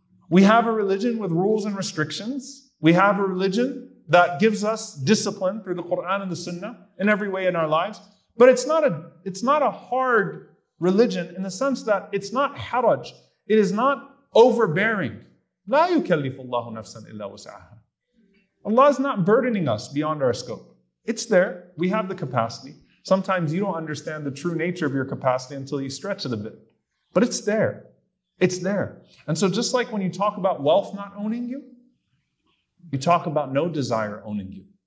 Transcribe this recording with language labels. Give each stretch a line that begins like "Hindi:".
English: We have a religion with rules and restrictions. We have a religion that gives us discipline through the Quran and the Sunnah in every way in our lives. But it's not a hard religion in the sense that it's not haraj, it is not overbearing.
Arabic: لا يكلف الله نفسا إلا وسعها.
English: Allah is not burdening us beyond our scope. It's there, we have the capacity. Sometimes you don't understand the true nature of your capacity until you stretch it a bit. But it's there, it's there. And so just like when you talk about wealth not owning you, you talk about no desire owning you.